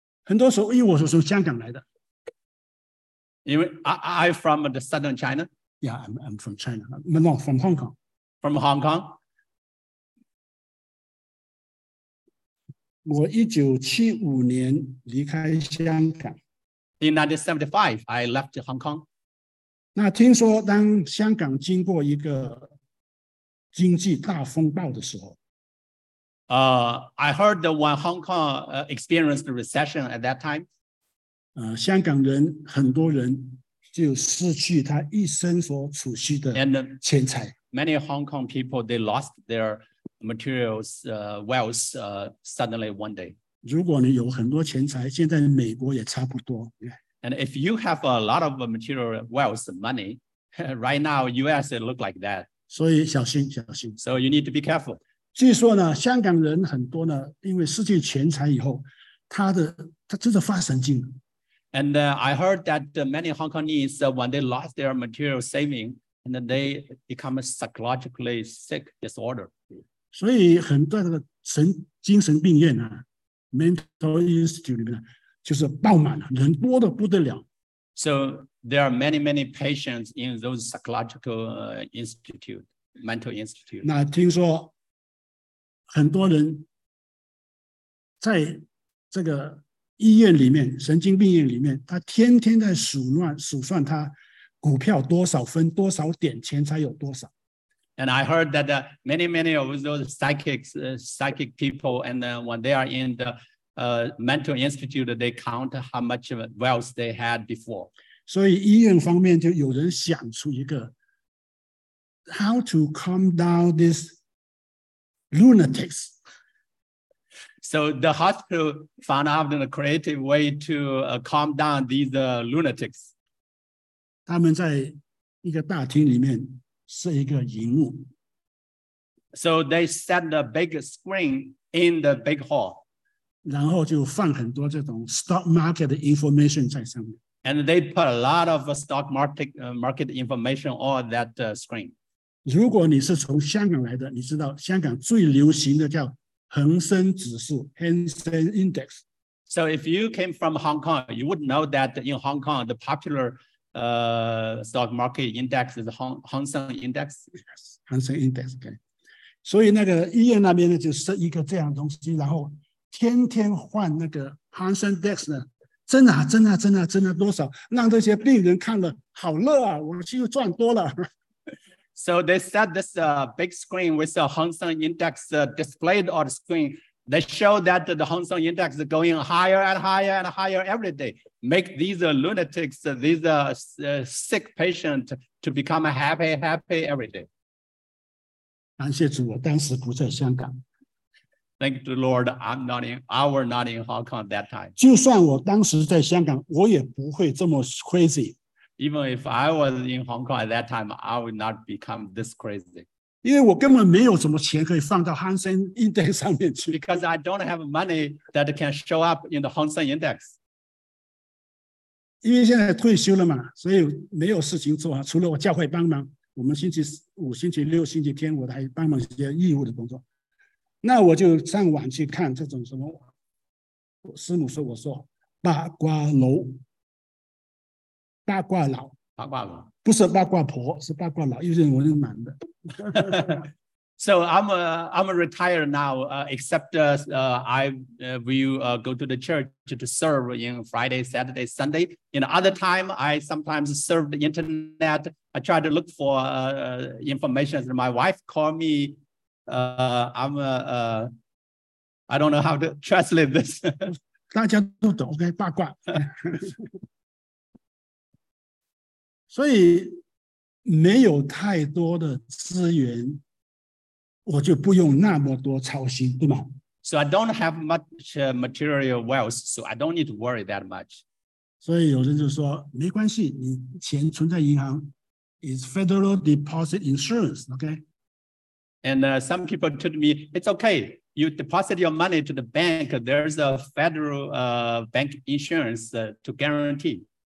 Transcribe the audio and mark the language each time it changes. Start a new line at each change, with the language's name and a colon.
Chinese: 很多时候，因为我是从香港来的。因为
English: I'm from the southern China. Yeah, I'm from China. No, from Hong Kong. From Hong Kong.
Chinese: 我1975年离开香港。
English: In 1975, I left Hong Kong.
Chinese: 那听说当香港经过一个经济大风暴的时候。
English: I heard that when Hong Kong experienced a recession at that time,
Chinese: 香港人很多人就失去他一生所储蓄的钱财。
English: And many Hong Kong people, they lost their materials, wealth, suddenly one day.
Chinese: 如果你有很多钱财，现在美国也差不多。
English: And if you have a lot of material wealth, money, right now, US, it looks like that.
Chinese: 所以小心，小心。
English: So you need to be careful.
Chinese: 据说呢，香港人很多呢，因为失去钱财以后，他真的发神经。
English: And I heard that many Hong Kongese, when they lost their material saving, and then they become a psychologically sick disorder.
Chinese: 所以很多的精神病院啊 ，
English: mental institute
Chinese: 里面就是爆满了，人多的不得了。
English: So there are many, many patients in those psychological institute, mental institute.
Chinese: 那听说很多人在这个。医院里面，神经病院里面，他天天在数算他股票多少分多少点钱才有多少。
English: And I heard that many of those psychic people, and when they are in the mental institute, they count how much wealth they had before.
Chinese: 所以医院方面就有人想出一个
English: how to calm down these lunatics. So the hospital found out a creative way to calm down these lunatics.
Chinese: 他们在一个大厅里面是一个荧幕。
English: So they set a big screen in the big hall.
Chinese: 然后就放很多这种
English: stock market information
Chinese: 在上面。
English: And they put a lot of stock market information on that screen.
Chinese: 如果你是从香港来的，你知道香港最流行的叫恒生指数 Hang Seng Index.
English: So if you came from Hong Kong, you would know that in Hong Kong, the popular stock market index is Hang Seng Index. Yes, Hang Seng Index. Okay.
Chinese: 所以那个医院那边呢，就设一个这样东西，然后天天换那个 Hang Seng Index 呢。真的真的真的真的多少让这些病人看了好乐啊，我就赚多了。
English: So they set this big screen with the Hang Seng Index displayed on the screen. They show that the Hang Seng Index is going higher and higher and higher every day. Make these lunatics, these sick patients to become happy, happy every day.
Chinese: 感谢主，我当时不在香港。
English: Thank the Lord, I were not in Hong Kong that time.
Chinese: 就算我当时在香港，我也不会这么 crazy.
English: Even if I was in Hong Kong at that time, I would not become this crazy.
Chinese: 因为我根本没有什么钱可以放到 Hang Seng Index 上面去。
English: Because I don't have money that can show up in the Hang Seng Index.
Chinese: 因为现在退休了嘛，所以没有事情做啊，除了我教会帮忙，我们星期五、星期六、星期天，我还帮忙一些义务的工作。那我就上网去看这种什么，师母说我说八卦楼，八卦老，八卦老不是八卦婆，是八卦老，因为我是男的。
English: So I'm retired now, except go to the church to serve in Friday, Saturday, Sunday. In other time, I sometimes serve the internet. I try to look for information. My wife called me. I don't know how to translate this.
Chinese: 大家都懂 ，OK， 八卦。所以没有太多的资源，我就不用那么多操心，对吗
English: ？So I don't have much material wealth, so I don't need to worry that much.
Chinese: 所以有人就说没关系，你钱存在银行 ，
English: is Federal Deposit Insurance, OK? And some people told me, it's okay, you deposit your money to the bank, there's a federal bank insurance to guarantee.